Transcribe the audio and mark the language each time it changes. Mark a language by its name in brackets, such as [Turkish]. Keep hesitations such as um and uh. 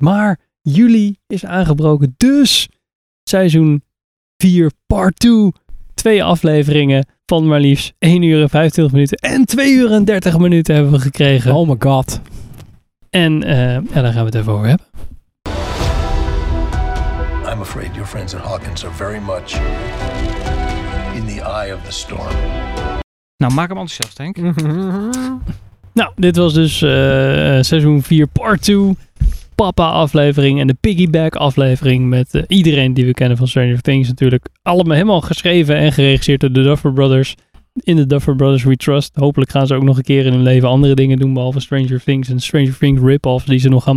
[Dutch] Maar juli is aangebroken, dus seizoen 4, part 2. Twee afleveringen van maar liefst 1 uur en 25 minuten en 2 uur en 30 minuten hebben we gekregen. [English] Oh my god. [Dutch] En uh, ja, daar gaan we het even over hebben. [English] I'm afraid your friends in Hawkins are very much in the eye of the storm. [Dutch] Nou, maak hem enthousiast, Henk. nou, dit was dus uh, seizoen 4, part 2 papa-aflevering en de piggyback-aflevering met uh, iedereen die we kennen van Stranger Things natuurlijk. Allemaal helemaal geschreven en geregisseerd door de Duffer Brothers. In de Duffer Brothers We Trust. Hopelijk gaan ze ook nog een keer in hun leven andere dingen doen behalve Stranger Things en Stranger Things rip-offs die ze nog gaan